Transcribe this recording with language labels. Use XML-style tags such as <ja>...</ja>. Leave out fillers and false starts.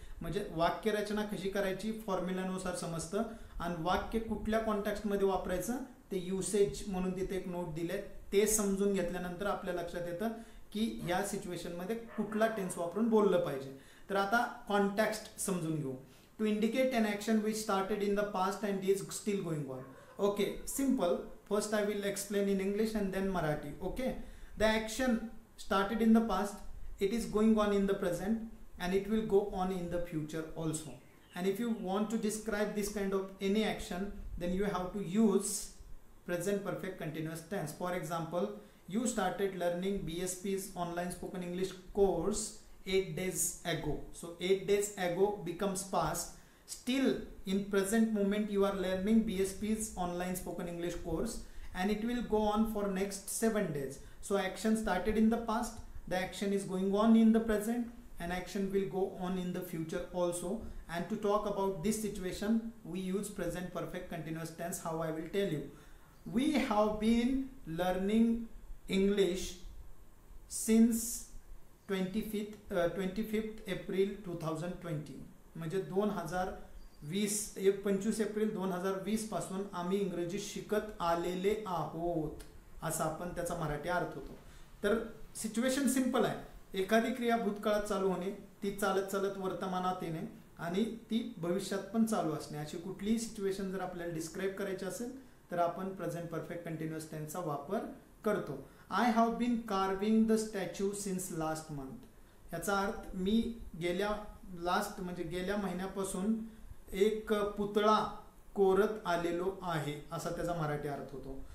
<mr>म्हणजे वाक्यरचना कशी करायची फॉर्म्युल्यानुसार समजतं, आणि वाक्य कुठल्या कॉन्टॅक्स्टमध्ये वापरायचं ते युसेज म्हणून तिथे एक नोट दिले, ते समजून घेतल्यानंतर आपल्या लक्षात येतं की ह्या सिच्युएशनमध्ये कुठला टेन्स वापरून बोललं पाहिजे. तर आता कॉन्टॅक्स्ट समजून घेऊ.</mr> <en>To indicate an action which started in the past and is still going on. Okay, simple. First I will explain in English and then Marathi. Okay, the action started in the past it is going on in the present and it will go on in the future also. And if you want to describe this kind of any action, then you have to use present perfect continuous tense. For example, you started learning BSP's online spoken English course 8 days ago. So 8 days ago becomes past. Still in present moment you are learning BSP's online spoken English course and it will go on for next 7 days. So action started in the past, the action is going on in the present, and action will go on in the future also. And to talk about this situation, we use present perfect continuous tense. How I will tell you, we have been learning English since 25th April 2020</en> <mr>पासून आम्ही इंग्रजी शिकत आलेले आहोत असा आपण त्याचा मराठी अर्थ होतो. तर सिच्युएशन सिंपल आहे, एखादी क्रिया भूतकाळात चालू होणे, ती चालत चालत वर्तमानात येणे आणि ती भविष्यात पण चालू असणे, अशी कुठलीही सिच्युएशन जर आपल्याला डिस्क्राईब करायची असेल तर आपण प्रेझेंट परफेक्ट कंटिन्युअस टेन्सचा वापर करतो.</mr> <en>I have been carving the statue since last month,</en> <mr>याचा अर्थ मी गेल्या महिन्यापासून एक पुतळा कोरत आलेलो आहे असा त्याचा मराठी अर्थ होतो.</mr>